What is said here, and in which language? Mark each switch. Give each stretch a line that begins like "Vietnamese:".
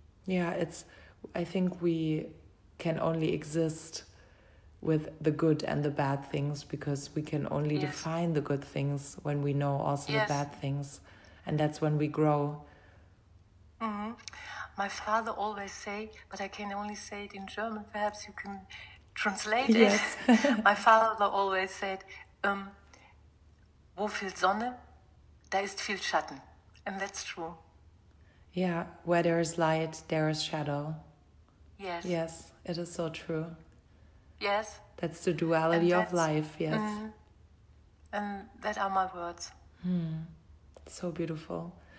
English: Yeah, I think we can only exist with the good and the bad things, because we can only define the good things when we know also the bad things, and that's when we grow. Mm-hmm. My father always say, but I can only say it in German, perhaps you can translate it. My father always said,
German: wo viel Sonne, da ist viel Schatten.
English: And that's true. Yeah, where there is light, there is shadow. Yes. Yes, it is so true. Yes. That's the duality of life, yes. Mm, and that are my words. So beautiful.